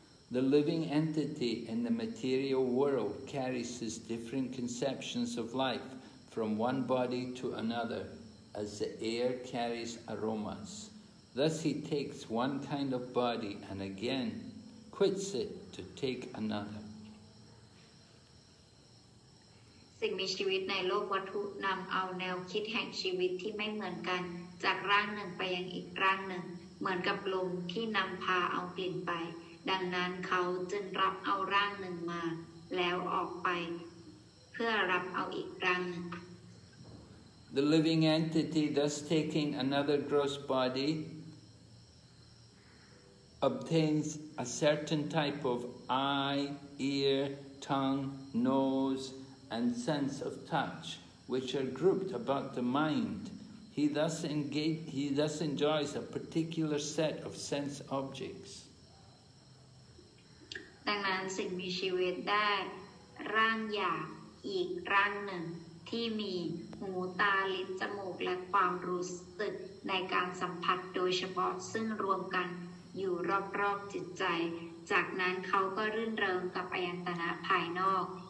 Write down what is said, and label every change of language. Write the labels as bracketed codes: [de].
[en] The living entity in the material world carries his different conceptions of life. from one body to another as the air carries aromas. Thus he takes one kind of body and again quits it to take another. [th] สิ่งมีชีวิตในโลกวัตถุนำเอาแนวคิดแห่งชีวิตที่ไม่เหมือนกันจากร่างหนึ่งไปยังอีกร่างหนึ่งเหมือนกับลมที่นำพาเอากลิ่นไปดังนั้นเขาจึงรับเอาร่างหนึ่งมาแล้วออกไปเพื่อรับเอาอีกร่างหนึ่ง [en] The living entity thus taking another gross body obtains a certain type of eye, ear, tongue, noseAnd sense of touch, which are grouped about the mind, he thus enjoys a particular set of sense objects. [th] ดังนั้นสิ่งมีชีวิตได้ร่างอย่างอีกร่างหนึ่งที่มีหูตาลิ้นจมูกและความรู้สึกในการสัมผัสโดยเฉพาะซึ่งรวมกันอยู่รอบๆจิตใจจากนั้นเขาก็รื่นเริงกับอายตนะภายนอก